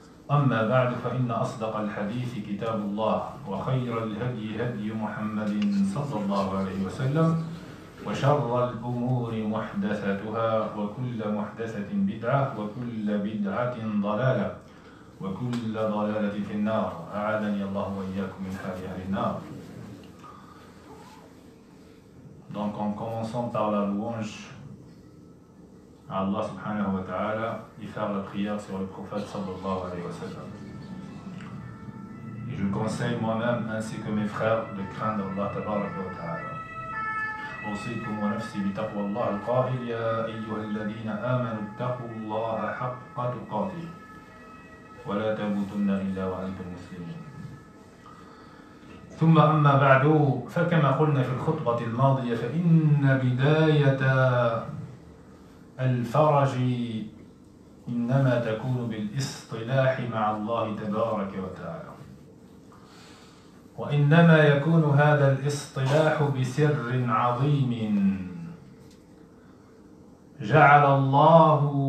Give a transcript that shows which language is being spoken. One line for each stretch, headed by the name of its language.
Arabic: أما بعد فإن أصدق الحديث كتاب الله وخير الهدي هدي محمد صلى الله عليه وسلم وشر الأمور محدثتها وكل محدثة بدعة وكل بدعة ضلالة وكل ضلالة في النار أعاذني الله وإياكم من حال أهل النار.
French: Donc en commençant par la louange à Allah
Arabic: subhanahu wa ta'ala
French: et faire la prière sur le prophète
Arabic: sallallahu alayhi wa sallam.
French: Et je conseille moi-même ainsi que mes frères de craindre Allah
Arabic: tabaraka wa ta'ala. أوصيكم ونفسي بتقوى الله القائل يا أيها الذين آمنوا اتقوا الله حق تقاته ولا تموتن إلا وأنتم مسلمون ثم أما بعد فكما قلنا في الخطبة الماضية فإن بداية الفرج إنما تكون بالاصطلاح مع الله تبارك وتعالى وإنما يكون هذا الاصطلاح بسر عظيم جعل الله